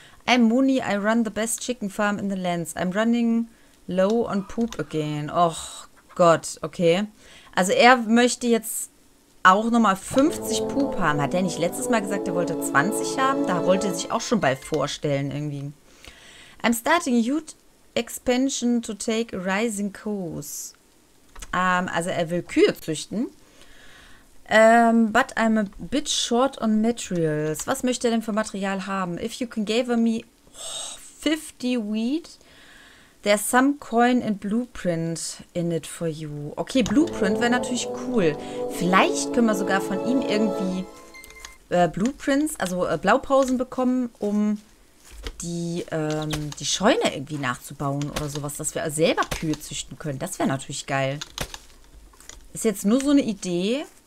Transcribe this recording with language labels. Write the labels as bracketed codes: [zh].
[en] I'm Mooney, I run the best chicken farm in the lands. I'm running low on poop again. [de] Och Gott, okay. Also er möchte jetzt auch nochmal 50 Poop haben. Hat er nicht letztes Mal gesagt, er wollte 20 haben? Da wollte er sich auch schon bald vorstellen irgendwie. I'm starting a huge expansion to take a rising course. Also er will Kühe züchten. [en] But I'm a bit short on materials. [de] Was möchte er denn für Material haben? [en] If you can give me 50 wheat, there's some coin and blueprint in it for you. [de] Okay, Blueprint wäre natürlich cool. Vielleicht können wir sogar von ihm irgendwie Blueprints, also Blaupausen bekommen, um die, die Scheune irgendwie nachzubauen oder sowas, dass wir selber Kühe züchten können. Das wäre natürlich geil. Ist jetzt nur so eine Idee.